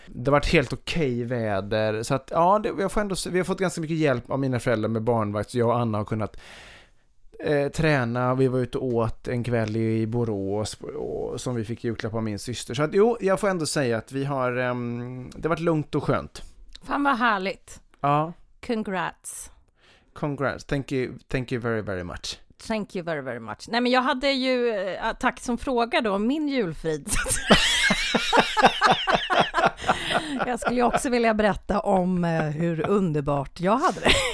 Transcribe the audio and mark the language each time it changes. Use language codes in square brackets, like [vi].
[sv] Det var ett helt okej väder, så att ja, vi har fått ganska mycket hjälp av mina föräldrar med barnvakt, så jag och Anna har kunnat träna, vi var ute och åt en kväll i Borås och som vi fick julklapp av min syster. Så att, jo, jag får ändå säga att vi har det har varit lugnt och skönt. Fan vad härligt. Ja. [en] Congrats. Thank you very very much. Thank you very very much. [sv] Nej, men jag hade ju tack som fråga då om min julfrid. Jag skulle ju också vilja berätta om hur underbart jag hade det.